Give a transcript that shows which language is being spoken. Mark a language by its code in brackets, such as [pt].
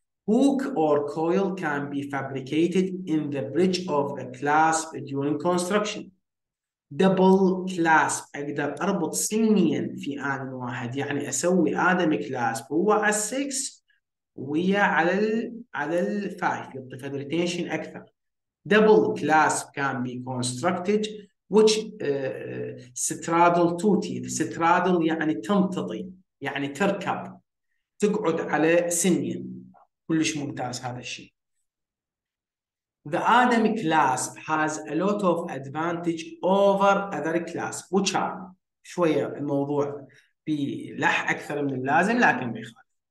[en] Hook or coil can be fabricated in the bridge of a clasp during construction. [ar] Double clasp، أقدر أربط سنين في آن واحد، يعني أسوي آدم كلاسب هو على السكس ويا على الفايف، يعطي فدريتيشن أكثر. [en] Double clasp can be constructed which straddle two teeth. [ar] Straddle يعني تمتضي، يعني تركب، تقعد على سنين. كلش ممتاز هذا الشيء. [en] The Adam clasp has a lot of advantage over other clasp. Which are [ar] شوية الموضوع بلح أكثر من اللازم لكن بيخالف.